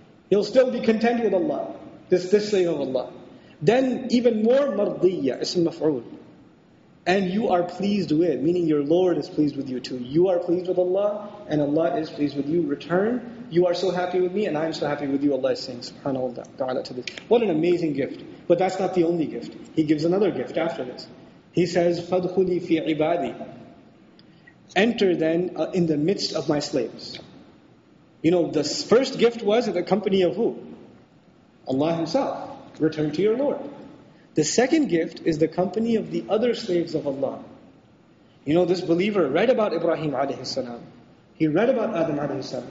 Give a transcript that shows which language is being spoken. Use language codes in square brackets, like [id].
[en] He'll still be content with Allah, this slave of Allah. Then even more mardiyya, ism maf'ul. And you are pleased with, meaning your Lord is pleased with you too. You are pleased with Allah, and Allah is pleased with you. Return, you are so happy with me, and I am so happy with you. Allah is saying, subhanAllah ta'ala to this. What an amazing gift. But that's not the only gift. He gives another gift after this. He says, [ar] فَدْخُلِي فِي عِبَادِي. [en] Enter then in the midst of my slaves. You know, the first gift was in the company of who? Allah Himself. Return to your Lord. The second gift is the company of the other slaves of Allah. You know, this believer read about Ibrahim alayhi salam. He read about Adam alayhi salam.